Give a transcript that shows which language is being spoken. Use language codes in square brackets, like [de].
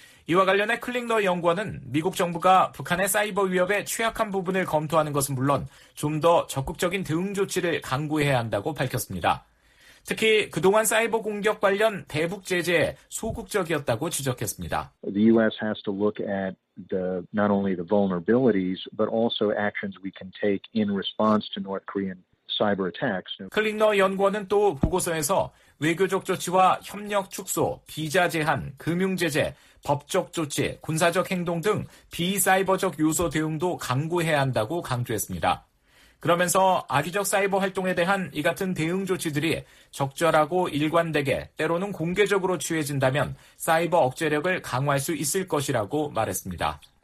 [ko] 이와 관련해 클링너 연구원은 미국 정부가 북한의 사이버 위협에 취약한 부분을 검토하는 것은 물론 좀 더 적극적인 대응 조치를 강구해야 한다고 밝혔습니다. 특히 그동안 사이버 공격 관련 대북 제재에 소극적이었다고 지적했습니다. [en] The US has to look at the not only the vulnerabilities but also actions we can take in response to North Korean cyber attacks. [ko] 클링너 연구원은 또 보고서에서 외교적 조치와 협력 축소, 비자 제한, 금융 제재, 법적 조치, 군사적 행동 등 비사이버적 요소 대응도 강구해야 한다고 강조했습니다. 그러면서 악의적 사이버 활동에 대한 이 같은 대응 조치들이 적절하고 일관되게 때로는 공개적으로 취해진다면 사이버 억제력을 강화할 수 있을 것이라고 말했습니다.